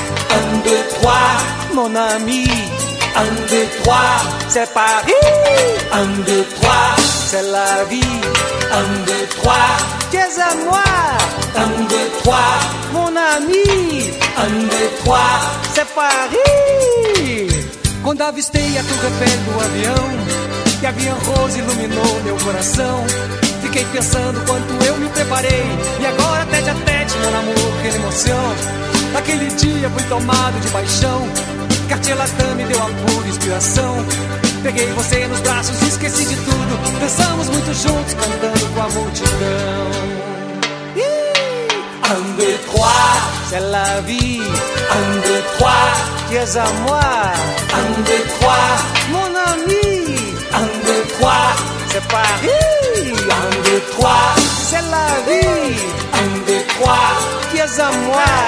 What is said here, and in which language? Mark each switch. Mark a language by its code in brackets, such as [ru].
[fr] Un, deux, trois, mon ami. Un, deux, trois, c'est Paris. Un, deux, trois, c'est la vie. Un, deux, trois, tu es à moi. Un, deux, trois, mon ami. Un, deux, trois, c'est Paris. [pt] Quando avistei a torre Eiffel do avião, que a Via Rose iluminou meu coração. Fiquei pensando quanto eu me preparei. E agora tete a tete, meu namoro, que emoção. Naquele dia fui tomado de paixão. Cartier Latam me deu a pura inspiração. Peguei você nos braços, esqueci de tudo. Dançamos muito juntos, cantando com a multidão. [fr] Un, deux, trois, c'est la vie. Un, deux, trois, tu es à moi. Un, deux, trois, mon ami. Un, deux, trois, c'est Paris. Un, deux, trois, c'est la vie. Un, deux, trois, tu es à moi.